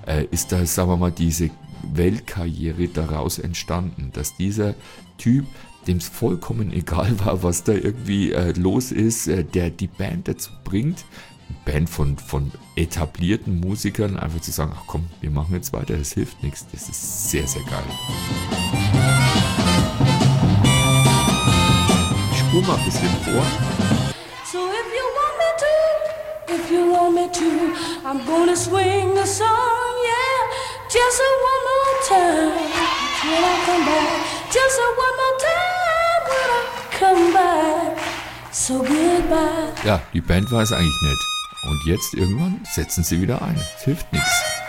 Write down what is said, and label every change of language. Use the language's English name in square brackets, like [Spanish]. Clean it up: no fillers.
[German] ist da, sagen wir mal, diese Weltkarriere daraus entstanden, dass dieser Typ, dem es vollkommen egal war, was da irgendwie los ist, der die Band dazu bringt, Band von etablierten Musikern einfach zu sagen, ach komm, wir machen jetzt weiter, das hilft nichts, das ist sehr, sehr geil. Ich spur mal ein bisschen vor. [English] So if you want me to, if you want me to, I'm gonna swing a song, yeah, just a one more time, when I come back, just a one more time, when I come back, so goodbye. [German] Ja, die Band war es eigentlich nicht. Und jetzt irgendwann setzen sie wieder ein. Es hilft nichts.